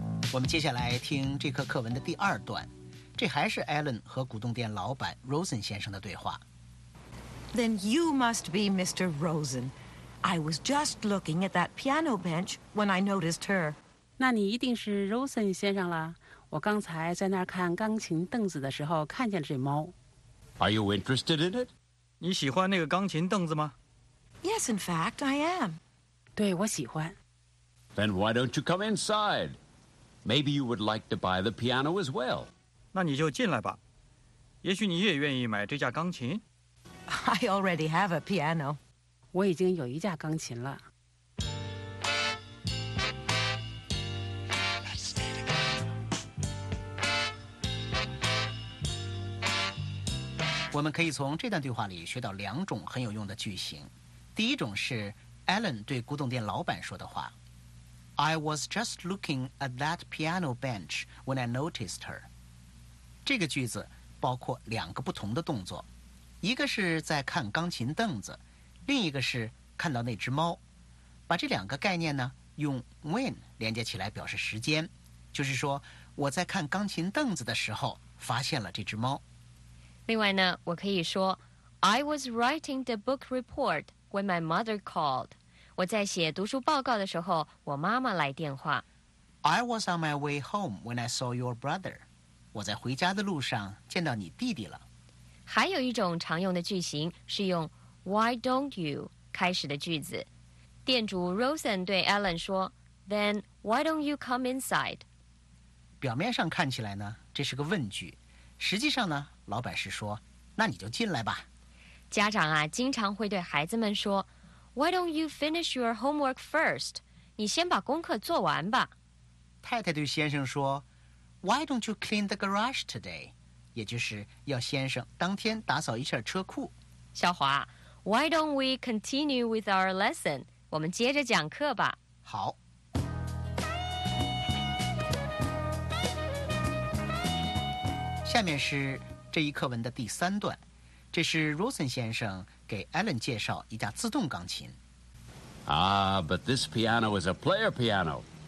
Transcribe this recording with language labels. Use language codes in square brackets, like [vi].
[zh] 我们接下来听这课课文的第二段。这还是 Alan 和古董店老板 Rosen 先生的对话。 [en] Then you must be Mr. Rosen. I was just looking at that piano bench when I noticed her. [zh] 那你一定是 Rosen 先生了。我刚才在那儿看钢琴凳子的时候看见了这猫。 [en] Are you interested in it? [zh] 你喜欢那个钢琴凳子吗？ [en] Yes, in fact, I am. [zh] 对，我喜欢。 [en] Then why don't you come inside? Maybe you would like to buy the piano as well. [zh] 那你就进来吧。也许你也愿意买这架钢琴。 [en] I already have a piano. [zh] 我已经有一架钢琴了。我们可以从这段对话里学到两种很有用的句型。第一种是 Alan 对古董店老板说的话。 [en] I was just looking at that piano bench when I noticed her. [zh] 这个句子包括两个不同的动作，一个是在看钢琴凳子，另一个是看到那只猫。把这两个概念呢，用 when 连接起来表示时间，就是说我在看钢琴凳子的时候发现了这只猫。另外呢，我可以说 [en] I was writing the book report when my mother called. [zh] 我在写读书报告的时候，我妈妈来电话。 [en] I was on my way home when I saw your brother. [zh] 我在回家的路上见到你弟弟了。还有一种常用的句型是用 Why don't you 开始的句子。店主 Rosen 对 Alan 说 [en] Then why don't you come inside? [zh] 表面上看起来呢，这是个问句。实际上呢，老板是说，那你就进来吧。家长啊，经常会对孩子们说 [en] Why don't you finish your homework first? [zh] 你先把功课做完吧。太太对先生说 [en] Why don't you clean the garage today? [zh] 也就是要先生当天打扫一下车库。 [en] 小华 Why don't we continue with our lesson? [zh] 我们接着讲课吧。好。下面是这一课文的第三段。这是 Rosen 先生给 Alan 介绍一架自动钢琴。 [en] Ah, but this piano is a player piano.